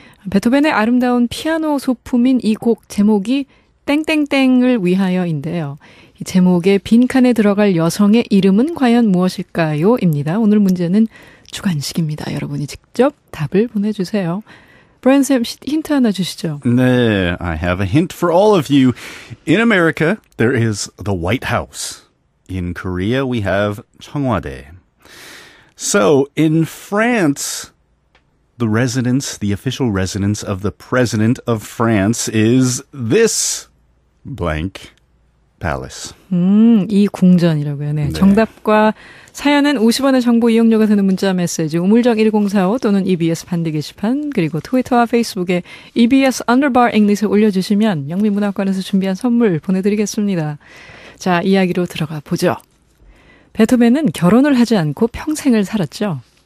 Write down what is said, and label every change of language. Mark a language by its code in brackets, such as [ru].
[ko] 베토벤의 아름다운 피아노 소품인 이 곡 제목이 땡땡땡을 위하여인데요. 이 제목의 빈칸에 들어갈 여성의 이름은 과연 무엇일까요? 입니다. 오늘 문제는 주관식입니다. 여러분이 직접 답을 보내주세요. 브랜쌤, 힌트 하나 주시죠. [en] 네, I have a hint for all of you. In America, there is the White House. In Korea, we have 청와대. So, in France, the residence, the official residence of the president of France is this blank palace. [ko] 이 궁전이라고요. 네. 네. 정답과 사연은 50원의 정보 이용료가 되는 문자 메시지 우물정 1045 또는 EBS 반대 게시판 그리고 트위터와 페이스북에 EBS underbar English에 올려주시면 영미문학관에서 준비한 선물 보내드리겠습니다. 자, 이야기로 들어가 보죠. 베토벤은 결혼을 하지 않고 평생을 살았죠.